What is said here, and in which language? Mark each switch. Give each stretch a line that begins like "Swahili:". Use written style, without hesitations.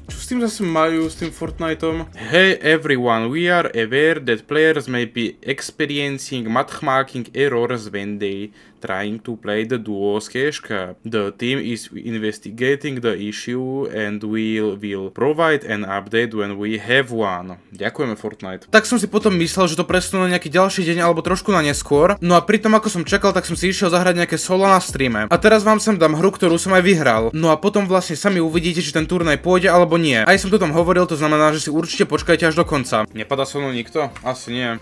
Slovak: Čo s tým zase majú s tým Fortniteom?
English: Hey everyone, we are aware that players may be experiencing matchmaking errors when they trying to play the duo's cash cup. The team is investigating the issue and will provide an update when we have one.
Slovak: Ďakujeme Fortnite. Tak som si potom myslel, že to presunú na nejaký ďalší deň alebo trošku na neskôr. No a pritom ako som čakal, tak som si išiel zahrať nejaké solo na streame. A teraz vám sem dám hru, ktorú som aj vyhral. No a potom vlastne sami uvidíte, či ten turnaj pôjde alebo nie. Aj som to tam hovoril, to znamená, že si určite počkajte až do konca. Nepadá so mnou nikto? Asi nie.